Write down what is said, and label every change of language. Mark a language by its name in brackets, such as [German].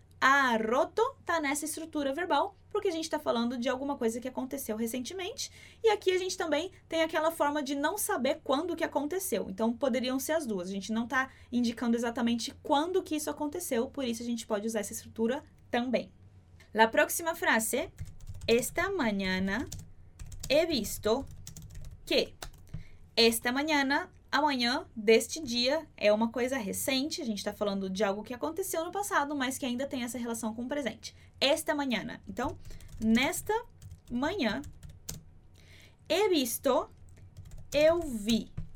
[Portuguese] A roto tá nessa estrutura verbal, porque a gente está falando de alguma coisa que aconteceu recentemente. E aqui a gente também tem aquela forma de não saber quando que aconteceu. Então, poderiam ser as duas. A gente não está indicando exatamente quando que isso aconteceu, por isso a gente pode usar essa estrutura também. [Spanish] La próxima frase. Esta mañana he visto que. Esta mañana, [Portuguese] amanhã, deste dia, é uma coisa recente. A gente está falando de algo que aconteceu no passado, mas que ainda tem essa relação com o presente. Esta mañana. Então, nesta manhã, he visto, eu vi.